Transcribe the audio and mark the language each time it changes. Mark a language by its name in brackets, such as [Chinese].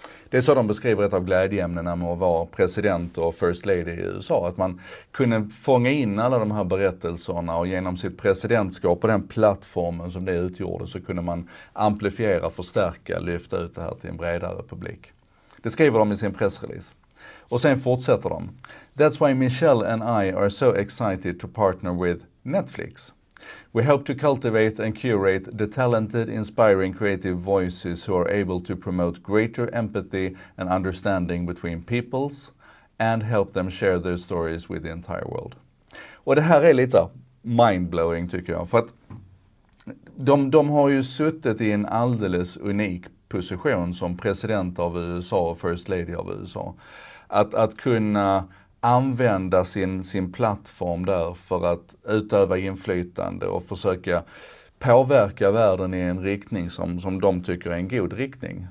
[Swedish] Det är så de beskriver ett av glädjeämnena med att vara president och first lady i USA. Att man kunde fånga in alla de här berättelserna och genom sitt presidentskap och den plattformen som det utgjorde så kunde man amplifiera, förstärka, lyfta ut det här till en bredare publik. Det skriver de i sin pressrelease. Och sen fortsätter de: [English] "That's why Michelle and I are so excited to partner with Netflix. We hope to cultivate and curate the talented, inspiring, creative voices who are able to promote greater empathy and understanding between peoples and help them share their stories with the entire world." [Swedish] Och det här är lite mindblowing tycker jag, för att de har ju suttit i en alldeles unik position som president av USA och first lady av USA. Att kunna använda sin plattform där för att utöva inflytande och försöka påverka världen i en riktning som de tycker är en god riktning.